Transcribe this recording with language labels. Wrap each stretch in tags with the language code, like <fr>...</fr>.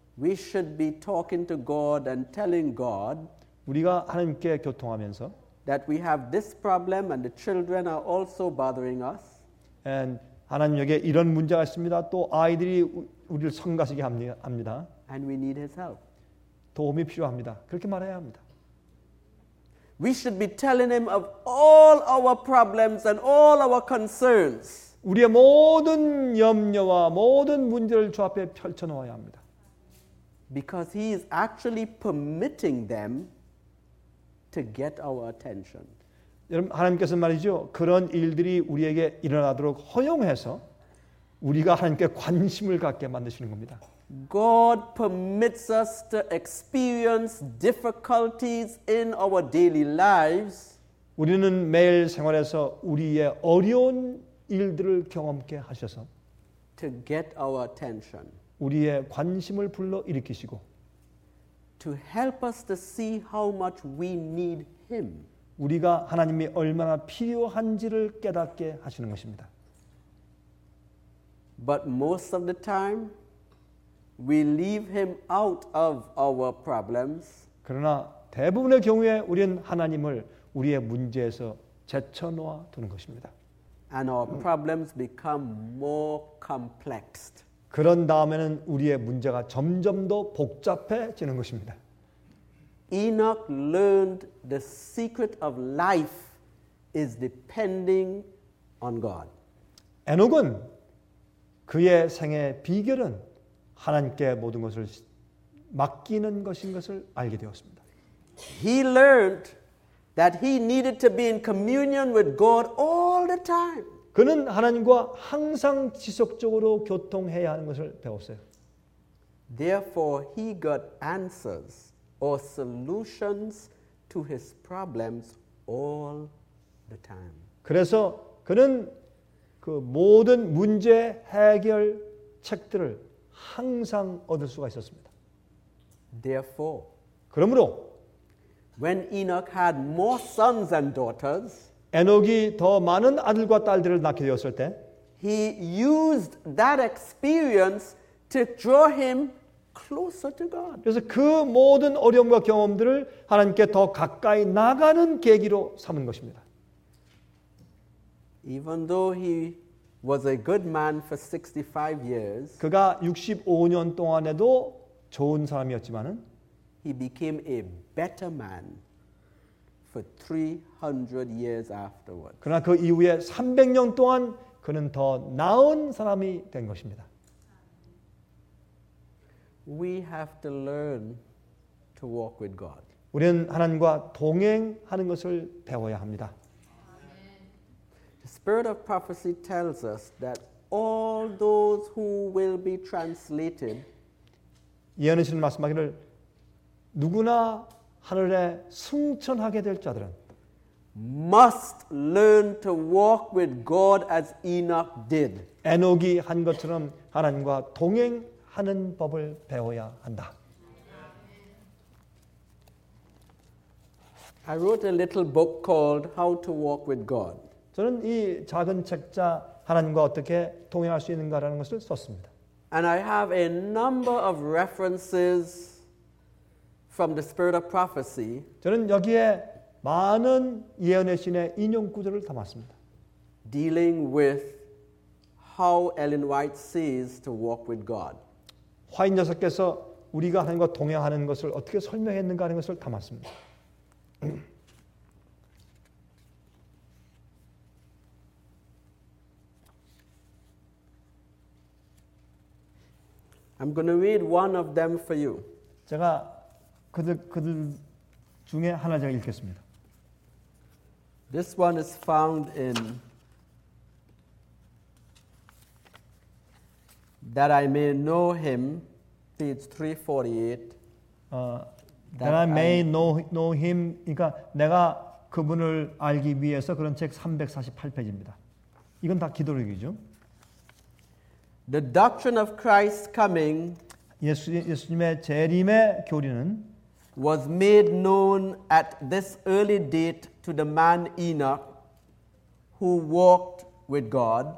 <en>we should be talking to God and telling God,</en> <ko>우리가 하나님께 교통하면서,</ko> <en>that we have this problem and the children are also bothering us.</en> <ko>And 하나님 여기에 이런 문제가 있습니다. 또 아이들이 우리를 성가시게 합니다.</ko> <en>And we need His help.</en> <ko>도움이 필요합니다. 그렇게 말해야 합니다.</ko> <en>We should be telling him of all our problems and all our concerns.</en> <ko>우리의 모든 염려와 모든 문제를 주 앞에 펼쳐 놓아야 합니다.</ko> <en>Because he is actually permitting them to get our attention.</en> <ko>여러분 하나님께서 말이죠. 그런 일들이 우리에게 일어나도록 허용해서 우리가 하나님께 관심을 갖게 만드시는 겁니다.</ko> <en>God permits us to experience difficulties in our daily lives.</en> <ko>우리는 매일 생활에서 우리의 어려운 일들을 경험케 하셔서</ko> <en>to get our attention.</en> <ko>우리의 관심을 불러 일으키시고</ko> <en>to help us to see how much we need him.</en> <ko>우리가 하나님이 얼마나 필요한지를 깨닫게 하시는 것입니다.</ko> <en>But most of the time we leave him out of our problems.</en> <ko>그러나 대부분의 경우에 우리는 하나님을 우리의 문제에서 제쳐놓아 두는 것입니다.</ko> <en>And our problems become more complex.</en> <ko>그런 다음에는 우리의 문제가 점점 더 복잡해지는 것입니다.</ko> <en>Enoch learned the secret of life is depending on God.</en> <ko>에녹은 그의 생의 비결은 하나님께 모든 것을 맡기는 것인 것을 알게 되었습니다.</ko> <en>He learned that he needed to be in communion with God all the time.</en> <ko>그는 하나님과 항상 지속적으로 교통해야 하는 것을 배웠어요.</ko> <en>Therefore, he got answers or solutions to his problems all the time.</en> <ko>그래서 그는 그 모든 문제 해결책들을 항상 얻을 수가 있었습니다.</ko> <en>Therefore,</en> <ko>그러므로</ko> <en>when Enoch had more sons and daughters,</en> <ko>에녹이 더 많은 아들과 딸들을 낳게 되었을 때,</ko> <en>he used that experience to draw him closer to God.</en> <ko>그래서 그 모든 어려움과 경험들을 하나님께 더 가까이 나가는 계기로 삼은 것입니다.</ko> <en>Even though he was a good man for 65 years,</en> <ko>그가 65년 동안에도 좋은 사람이었지만은,</ko> <en>he became a better man for 300 years afterwards.</en> <ko>그러나 그 이후에 300년 동안 그는 더 나은 사람이 된 것입니다.</ko> <en>We have to learn to walk with God.</en> <ko>우리는 하나님과 동행하는 것을 배워야 합니다.</ko> <en>The spirit of prophecy tells us that all those who will be translated</en> <ko>예언하시는 말씀하기를 누구나 하늘에 승천하게 될 자들은</ko> <en>must learn to walk with God as Enoch did.</en> <ko>에녹이 한 것처럼 하나님과 동행하는 법을 배워야 한다.</ko> <en>I wrote a little book called How to Walk with God.</en> <ko>저는 이 작은 책자 하나님과 어떻게 동행할 수 있는가라는 것을 썼습니다.</ko> <en>And I have a number of references from the spirit of prophecy.</en> <ko>저는 여기에 많은 예언의 신의 인용 구절을 담았습니다.</ko> <en>Dealing with how Ellen White sees to walk with God.</en> <ko>화인 여사께서 우리가 하나님과 동행하는 것을 어떻게 설명했는가 하는 것을 담았습니다.</ko> <en>I'm going to read one of them for you.</en> <ko>제가 그들 중에 하나 제가 읽겠습니다.</ko> <en>This one is found in That I May Know Him, page 348.</en> <ko>That I May Know Him, 그러니까 내가 그분을 알기 위해서 그런 책 348페이지입니다. 이건 다 기도록이죠.</ko> <en>The doctrine of Christ's coming</en> <ko>예수님의 재림의 교리는</ko> <en>was made known at this early date to the man Enoch who walked with God.</en>